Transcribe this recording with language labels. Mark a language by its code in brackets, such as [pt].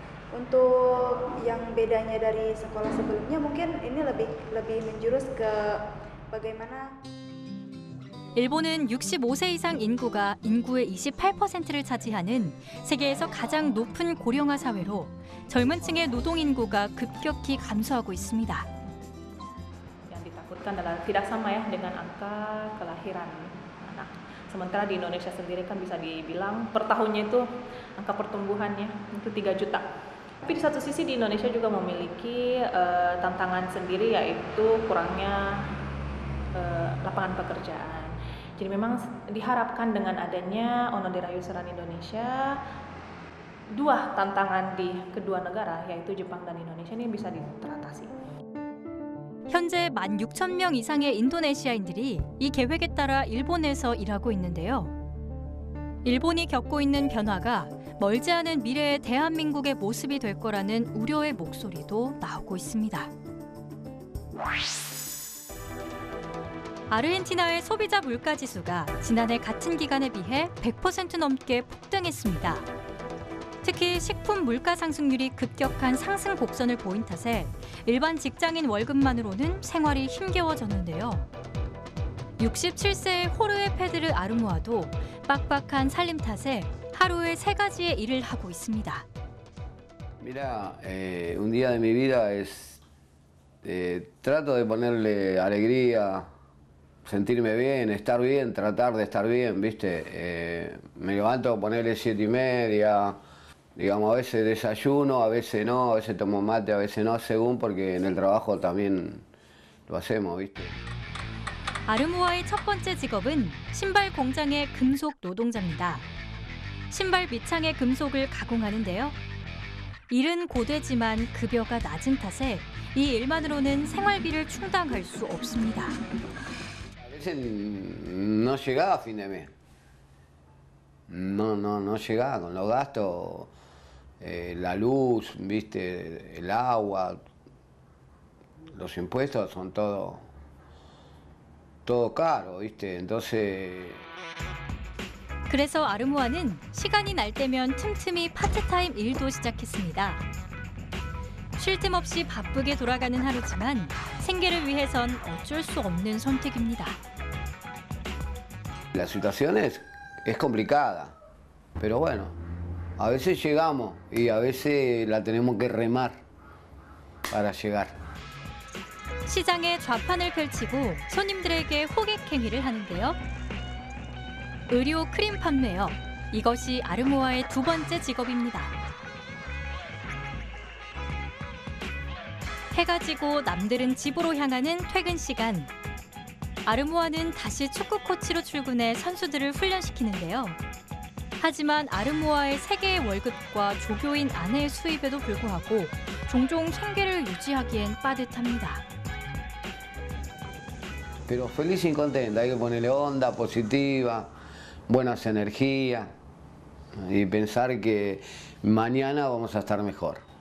[id] Untuk yang bedanya dari sekolah sebelumnya mungkin ini lebih menjurus ke bagaimana [ko] 일본은65세이상인구가인구의 28%를 차지하는세계에서가장 높은 고령화 사회로 젊은 층의 노동 인구가 급격히 감소하고 있습니다. [id] Yang ditakutkan adalah tidak sama ya dengan angka kelahiran anak. Sementara di Indonesia sendiri kan bisa dibilang per tahunnya itu angka pertumbuhannya itu 3 juta. Tapi di satu sisi di Indonesia juga memiliki tantangan sendiri yaitu kurangnya lapangan pekerjaan. Jadi memang diharapkan dengan adanya Onodera Yusran Indonesia, dua tantangan di kedua negara, yaitu Jepang dan Indonesia, ini bisa diteratasi. [ko] 현재 16,000명 이상의 인도네시아인들이 이 계획에 따라 일본에서 일하고 있는데요. 일본이 겪고 있는 변화가 멀지 않은 미래의 대한민국의 모습이 될 거라는 우려의 목소리도 나오고 있습니다. 아르헨티나의소비자물가지수가지난해같은기간에비해 100% 넘게폭등했습니다. 특히 식품 물가 상승률이 급격한 상승 곡선을 보인 탓에 일반 직장인 월급만으로는 생활이 힘겨워졌는데요. 67세의 호르헤 페드르 아르모아도 빡빡한 살림 탓에 하루에 세 가지의 일을 하고 있습니다. [es] Mira, un día de mi vida es trato de ponerle alegría. Sentirme bien, estar bien, tratar de estar bien, ¿viste? Me levanto a ponerle 7:30, digamos, a veces desayuno, a veces no, a veces tomo mate, a veces no, según, porque en el trabajo también lo hacemos, ¿viste? [ko] 아르모아의 첫 번째 직업은 신발 공장의 금속 노동자입니다. 신발 밑창의 금속을 가공하는데요. 일은 고되지만 급여가 낮은 탓에 이 일만으로는 생활비를 충당할 수 없습니다. [es] No llegaba a fin de mes. No llegaba con los gastos, la luz, viste, el agua, los impuestos son todo caro, viste. Entonces. [ko] 그래서 아르모아는 시간이 날 때면 틈틈이 파트타임 일도 시작했습니다. 쉴 틈 없이 바쁘게 돌아가는 하루지만 생계를 위해선 어쩔 수 없는 선택입니다. [es] La situación es complicada, pero bueno, a veces llegamos y a veces la tenemos que remar para llegar. [ko] 시장에좌판을펼치고손님들에게호객행위를하는데요. 의료 크림 판매업, 이것이 아르모아의 두 번째 직업입니다. 해가 지고 남들은 집으로 향하는 퇴근 시간. 아르모아는 다시 축구 코치로 출근해 선수들을 훈련시키는데요. 하지만 아르모아의 세 개의 월급과 조교인 아내의 수입에도 불구하고 종종 생계를 유지하기엔 빠듯합니다. [es] Pero feliz y contenta, hay que ponerle onda positiva, buenas energías y pensar que mañana vamos a estar mejor.